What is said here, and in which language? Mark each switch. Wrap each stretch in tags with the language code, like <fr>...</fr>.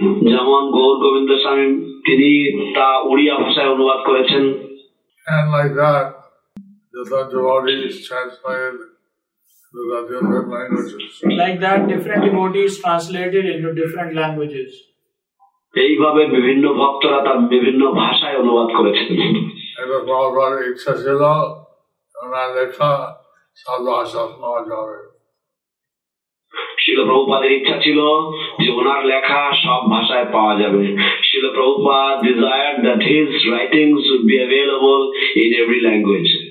<bn>যেমন গৌর গোবিন্দ স্বামী, তিনি তা উড়িয়া ভাষায় অনুবাদ করেছেন.</bn> <en>And like that, different devotees translated into the different languages. Like that, different devotees translated into different languages.</en> <bn>এইভাবে বিভিন্ন ভক্তরা তা বিভিন্ন ভাষায় অনুবাদ করেছেন. এবং বারবার ইচ্ছা ছিল ওনার লেখা সব ভাষা পাওয়া যাবে. শিল প্রভুপাদের ইচ্ছা ছিল যে ওনার লেখা সব ভাষায় পাওয়া যাবে.</bn> <en>Srila Prabhupada desired that his writings would be available in every language.</en>